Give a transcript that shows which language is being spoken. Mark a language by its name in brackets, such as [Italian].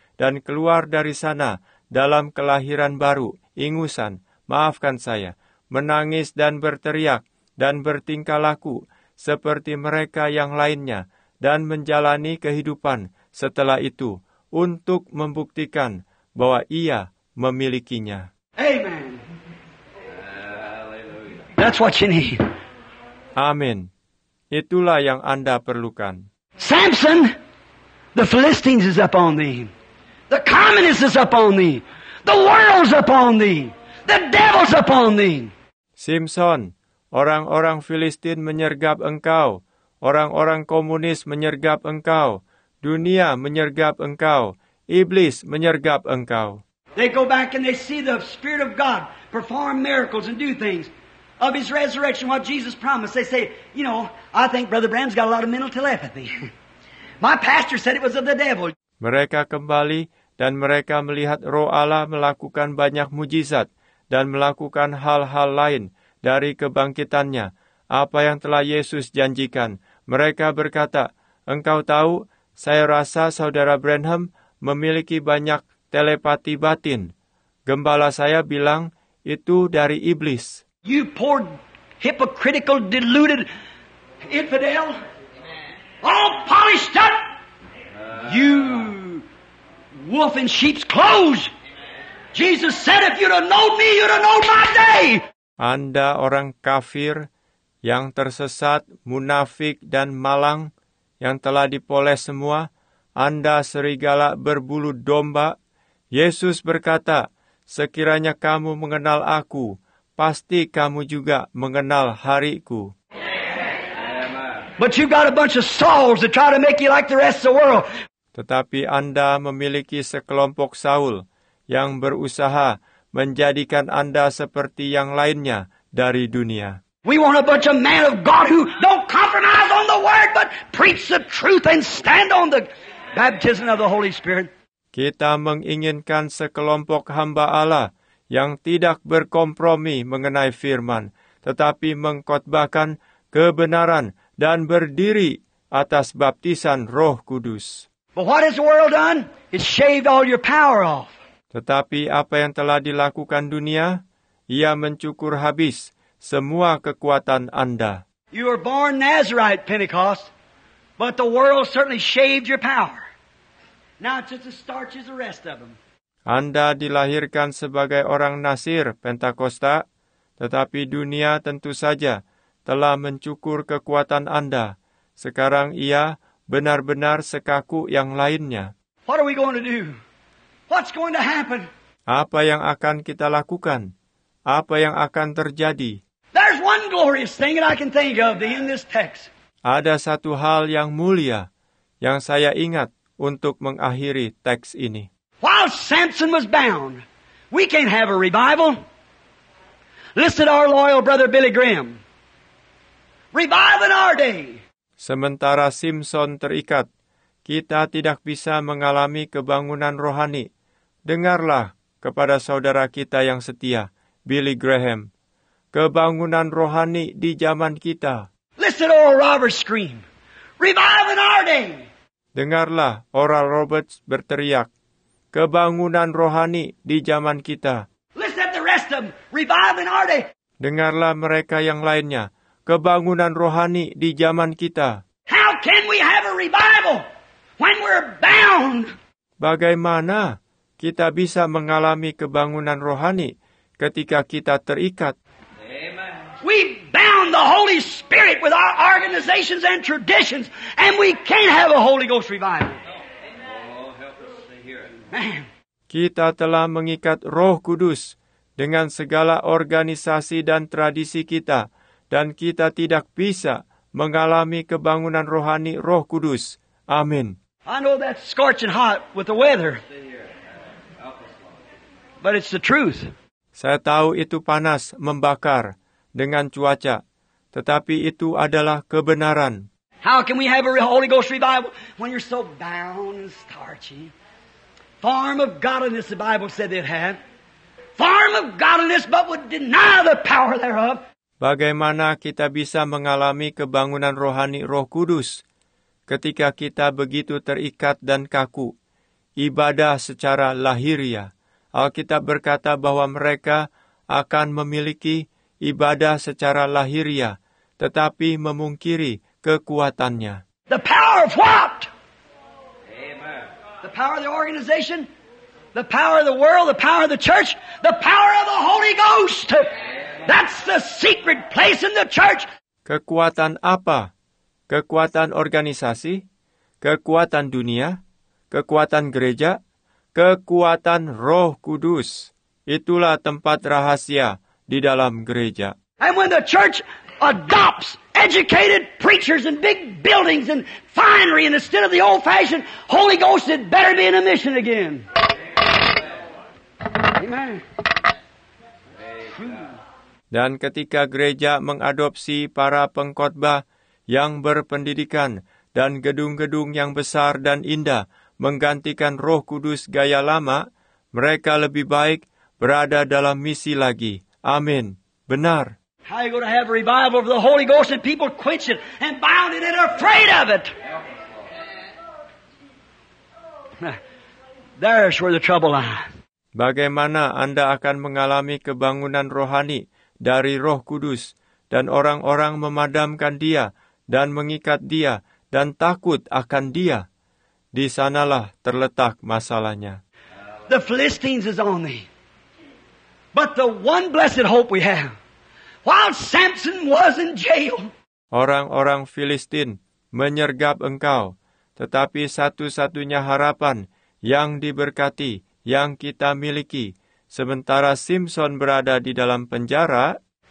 [Indonesian] dan keluar dari sana dalam kelahiran baru, ingusan, maafkan saya, menangis dan berteriak, dan bertingkah laku, seperti mereka yang lainnya, dan menjalani kehidupan setelah itu untuk membuktikan bahwa ia memilikinya. [English] Amen. Hallelujah. That's what you need. [Indonesian] Amin. Itulah yang Anda perlukan. [English] Samson, the Philistines is upon thee. The communists is upon thee. The world's upon thee. The devil's upon thee. [Indonesian] Samson, orang-orang Filistin menyergap engkau. Orang-orang komunis menyergap engkau. Dunia menyergap engkau. Iblis menyergap engkau. [English] They go back and they see the Spirit of God perform miracles and do things of His resurrection, what Jesus promised. They say, you know, I think Brother Branham's got a lot of mental telepathy. My pastor said it was of the devil. [Indonesian] Mereka kembali dan mereka melihat Roh Allah melakukan banyak mujizat dan melakukan hal-hal lain dari kebangkitannya. Apa yang telah Yesus janjikan. Mereka berkata, engkau tahu, saya rasa saudara Branham memiliki banyak telepati batin. Gembala saya bilang, itu dari iblis. [English] You poor, hypocritical, deluded infidel. All polished up. You wolf in sheep's clothes. Jesus said, if you'd have known me, you'd have known my day. [Indonesian] Anda orang kafir yang tersesat, munafik, dan malang, yang telah dipoles semua, Anda serigala berbulu domba. Yesus berkata, sekiranya kamu mengenal aku, pasti kamu juga mengenal hariku. [English] But you got a bunch of souls that try to make you like the rest of the world. [Indonesian] tetapi Anda memiliki sekelompok Saul yang berusaha menjadikan Anda seperti yang lainnya dari dunia. [English] We want a bunch of men of God who don't compromise on the word but preach the truth and stand on the baptism of the Holy Spirit. [Indonesian] Kita menginginkan sekelompok hamba Allah yang tidak berkompromi mengenai firman, tetapi mengkhotbahkan kebenaran dan berdiri atas baptisan Roh Kudus. [English] But what has the world done? It shaved all your power off. [Indonesian] Tetapi apa yang telah dilakukan dunia? Ia mencukur habis semua kekuatan Anda. [English] You were born Nazarite Pentecost, but the world certainly shaved your power. Now it's just the starches, the rest of them. [Indonesian] Anda dilahirkan sebagai orang Nazir Pentakosta, tetapi dunia tentu saja telah mencukur kekuatan Anda. Sekarang ia benar-benar sekaku yang lainnya. [English] What are we going to do? What's going to happen? [Indonesian] Apa yang akan kita lakukan? Apa yang akan terjadi? [English] There's one glorious thing that I can think of in this text. [Indonesian] Ada satu hal yang mulia yang saya ingat untuk mengakhiri teks ini. [English] While Samson was bound, we can't have a revival. Listen to our loyal brother Billy Graham. Revival in our day. [Indonesian] Sementara Samson terikat, kita tidak bisa mengalami kebangunan rohani. Dengarlah kepada saudara kita yang setia, Billy Graham. Kebangunan rohani di zaman kita. [English] Listen to Oral Roberts scream. Revival in our day. [Indonesian] Dengarlah Oral Roberts berteriak. Kebangunan rohani di zaman kita. [English] Listen to the rest of them. Revival in our day. [Indonesian] Dengarlah mereka yang lainnya. Kebangunan rohani di zaman kita. [English] How can we have a revival when we're bound? [Indonesian] Bagaimana kita bisa mengalami kebangunan rohani ketika kita terikat? [English] We bound the Holy Spirit with our organizations and traditions, and we can't have a Holy Ghost revival. Oh, help us to hear it. [Indonesian] Kita telah mengikat Roh Kudus dengan segala organisasi dan tradisi kita, dan kita tidak bisa mengalami kebangunan rohani Roh Kudus. Amin. [English] I know that's scorching hot with the weather, but it's the truth. [Indonesian] Saya tahu itu panas membakar dengan cuaca, tetapi itu adalah kebenaran. [English] How can we have a Holy Ghost revival when you're so bound and starchy? Form of godliness, the Bible said they'd have. Form of godliness, but would deny the power thereof. [Indonesian] Bagaimana kita bisa mengalami kebangunan rohani Roh Kudus ketika kita begitu terikat dan kaku? Ibadah secara lahiriah. Alkitab berkata bahwa mereka akan memiliki ibadah secara lahiriah, tetapi memungkiri kekuatannya. [English] The power of what? Amen. The power of the organization? The power of the world? The power of the church? The power of the Holy Ghost? Amen. That's the secret place in the church. [Indonesian] Kekuatan apa? Kekuatan organisasi? Kekuatan dunia? Kekuatan gereja? Kekuatan Roh Kudus. Itulah tempat rahasia di dalam gereja. [English] And when the church adopts educated preachers and big buildings and finery instead of the old fashioned Holy Ghost, it better be in a mission again. Amen. [Indonesian] Dan ketika gereja mengadopsi para pengkhotbah yang berpendidikan dan gedung-gedung yang besar dan indah menggantikan Roh Kudus gaya lama, mereka lebih baik berada dalam misi lagi. Amin. Benar. [English] How are you going to have a revival of the Holy Ghost and people quench it and bound it and afraid of it? There's where the trouble lies. [Indonesian] Bagaimana Anda akan mengalami kebangunan rohani dari Roh Kudus dan orang-orang memadamkan dia dan mengikat dia dan takut akan dia? Di sanalah terletak masalahnya. [English] The Philistines is on thee. But the one blessed hope we have, while Samson was in jail. [Indonesian] Orang-orang Filistin menyergap engkau, tetapi satu-satunya harapan yang diberkati, yang kita miliki, sementara Samson berada di dalam penjara.